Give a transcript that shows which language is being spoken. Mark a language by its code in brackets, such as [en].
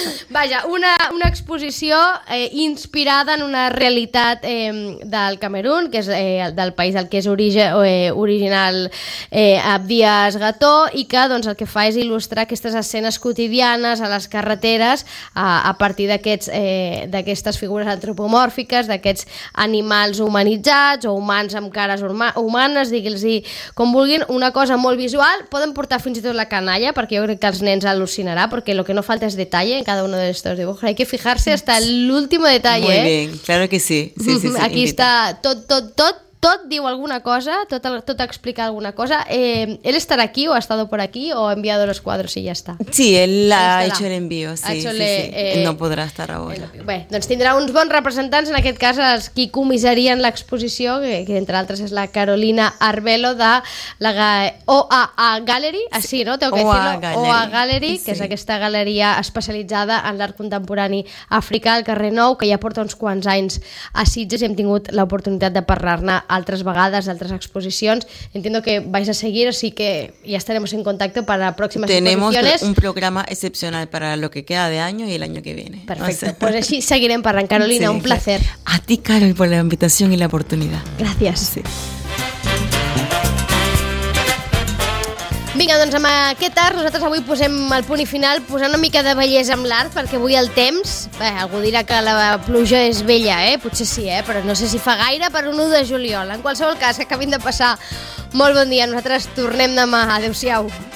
[ca] vaja, una exposició inspirada en una realitat del Camerún, que és del país del que és original Abdías Gató, i que doncs, el que fa és il·lustrar aquestes escenes quotidianes a les carreteres a partir d'aquestes figures antropomòrfiques, d'aquests animals humanitzats o humans amb cares humanes, digui'ls-hi com vulguin, una cosa molt visual. Poden portar fins i tot la canalla, perquè jo crec que els nens al·lucinarà, perquè el que no falta és detall en cada un d'aquests dibuixos. [es] Hay que fijarse hasta [ca] l'últim detall. [es] Muy bien, claro que sí. Aquí invita. [ca] Està tot diu alguna cosa, tot explica alguna cosa. [es] ¿Él estará aquí o ha estado por aquí o ha enviado los cuadros y ya está? Sí, él ha hecho el envío, sí. No podrá estar ahora. [ca] Bé, doncs tindrà uns bons representants, en aquest cas els qui comissarien l'exposició, que entre altres és la Carolina Arbelo de la OAA Gallery, així, no? [es] Tengo que decirlo. OAA Gallery, que [ca] és aquesta galeria especialitzada en l'art contemporani africà al carrer Nou, que ja porta uns quants anys a Sitges i hem tingut l'oportunitat de parlar-ne altres vegades, altres exposicions. [es] Entiendo que vais a seguir, así que ya estaremos en contacto para próximas Tenemos exposiciones. Tenemos un programa excepcional para lo que queda de año y el año que viene. Perfecto, o sea. Pues así seguiremos parlant. Carolina, sí, un placer. A ti, Carol, por la invitación y la oportunidad. Gracias. Sí. [ca] Vinga, doncs amb aquest art nosaltres avui posem el punt i final, posant una mica de bellesa amb l'art, perquè avui el temps, bé, algú dirà que la pluja és vella, potser sí, però no sé si fa gaire per un 1 de juliol. En qualsevol cas, que acabin de passar molt bon dia. Nosaltres tornem demà. Adéu-siau.